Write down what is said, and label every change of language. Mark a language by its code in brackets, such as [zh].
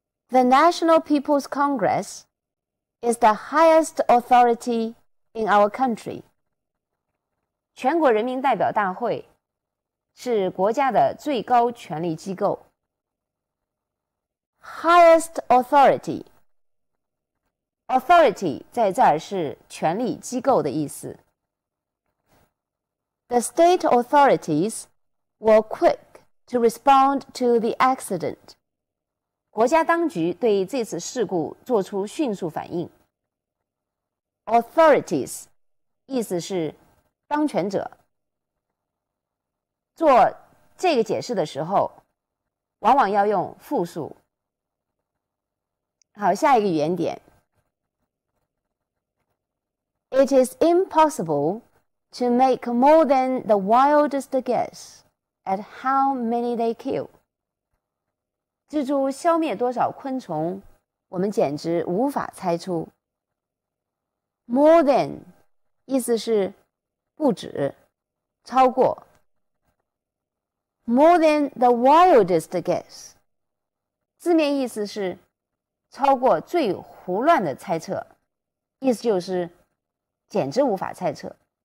[en] The National People's Congress is the highest authority in our country. [zh] 全国人民代表大会是国家的最高权力机构。 [en] Highest authority. [zh] Authority 在这儿是权力机构的意思。 [en] The state authorities were quick to respond to the accident. [zh] 国家当局对这次事故做出迅速反应。 Authorities 意思是当权者。做这个解释的时候，往往要用复数。好，下一个语言点。 [en] It is impossible to make more than the wildest guess at how many they kill. [zh] 蜘蛛消灭多少昆虫，我们简直无法猜出。 More than, 意思是不止，超过。 [en] More than the wildest guess, [zh] 字面意思是超过最胡乱的猜测，意思就是简直无法猜测。